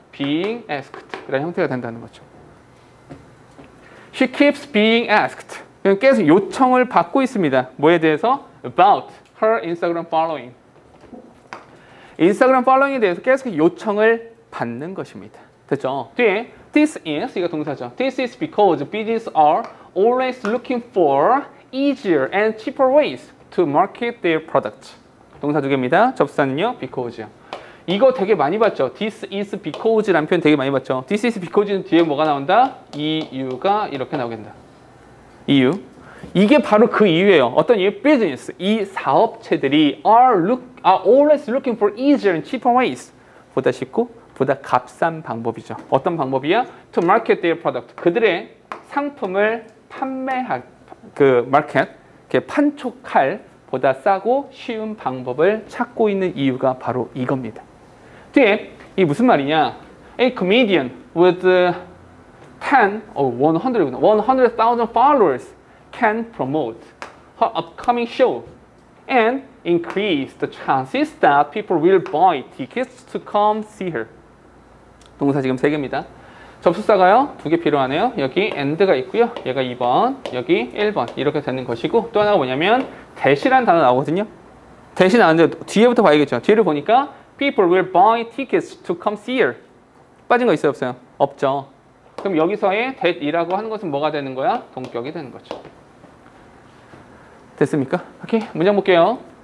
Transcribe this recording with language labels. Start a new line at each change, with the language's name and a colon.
English: being asked
Korean: 라는 형태가 된다는 거죠.
English: She keeps being asked.
Korean: 그냥 계속 요청을 받고 있습니다. 뭐에 대해서?
English: About her Instagram following.
Korean: 인스타그램 팔로잉에 대해서 계속 요청을 받는 것입니다. 됐죠? 뒤에
English: This is,
Korean: 이거 동사죠.
English: This is because businesses are always looking for easier and cheaper ways to market their products.
Korean: 동사 두 개입니다. 접사는요, because요. 이거 되게 많이 봤죠.
English: This is because
Korean: 라는 표현 되게 많이 봤죠. This is because는 뒤에 뭐가 나온다? 이유가 이렇게 나오게 된다. 이유. 이게 바로 그 이유예요. 어떤 이유? Business. 이 사업체들이
English: are always looking for easier and cheaper ways.
Korean: 보다 쉽고 보다 값싼 방법이죠. 어떤 방법이야?
English: To market their product.
Korean: 그들의 상품을 판매할, 이렇게 판촉할 보다 싸고 쉬운 방법을 찾고 있는 이유가 바로 이겁니다. 뒤에 이 무슨 말이냐?
English: A comedian with 100,000 followers can promote her upcoming show and increase the chances that people will buy tickets to come see her.
Korean: 동사 지금 세 개입니다. 접속사가요 두 개 필요하네요. 여기 and가 있고요. 얘가 2번, 여기 1번 이렇게 되는 것이고 또 하나가 뭐냐면 대시라는 단어 나오거든요. 대시 나왔는데 뒤에부터 봐야겠죠. 뒤를 보니까
English: People will buy tickets to come see her.
Korean: 빠진 거 있어요? 없어요? 없죠. 그럼 여기서의 that이라고 하는 것은 뭐가 되는 거야? 동격이 되는 거죠. 됐습니까? 오케이. 문장 볼게요.